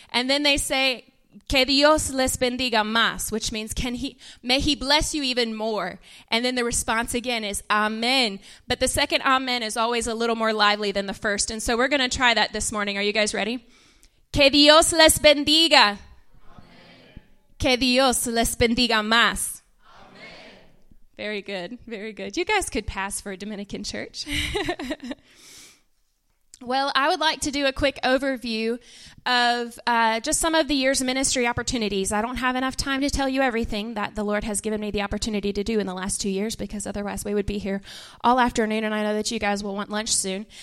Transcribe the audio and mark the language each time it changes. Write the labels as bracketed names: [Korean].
[English] And then they say, [Spanish] Que Dios les bendiga más, [English] which means, may he bless you even more. And then the response again is, amen. But the second amen is always a little more lively than the first. And so we're going to try that this morning. Are you guys ready? [Spanish] Que Dios les bendiga. Que Dios les bendiga más. [English] Amen. Very good, very good. You guys could pass for a Dominican church. Well, I would like to do a quick overview of just some of the year's ministry opportunities. I don't have enough time to tell you everything that the Lord has given me the opportunity to do in the last 2 years, because otherwise we would be here all afternoon, and I know that you guys will want lunch soon.